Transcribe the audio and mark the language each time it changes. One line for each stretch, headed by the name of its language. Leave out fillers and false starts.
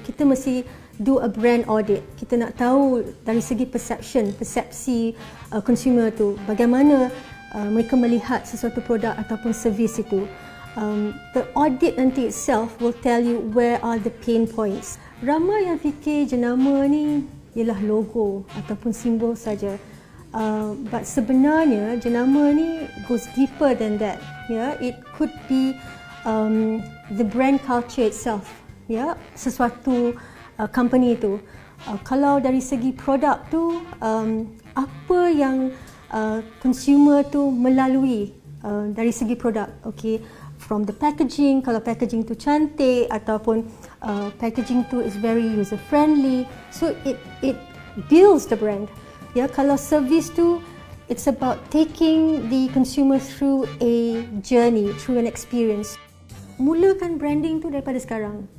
Malay: Kita mesti
English: do a brand audit.
Malay: Kita nak tahu dari segi persepsi consumer tu, bagaimana mereka melihat sesuatu produk ataupun service itu.
English: The audit
Malay: nanti
English: itself will tell you where are the pain points.
Malay: Ramai yang fikir jenama ni ialah logo ataupun simbol saja.
English: But
Malay: sebenarnya jenama ni
English: goes deeper than that. Yeah, it could be the brand culture itself.
Malay: Yeah, sesuatu company itu. Kalau dari segi produk tu, apa yang consumer tu melalui dari segi produk, okay?
English: From the packaging,
Malay: kalau packaging tu cantik ataupun packaging tu
English: is very user friendly, so it builds the brand.
Malay: Ya, kalau service tu,
English: it's about taking the consumer through a journey, through an experience.
Malay: Mulakan branding tu daripada sekarang.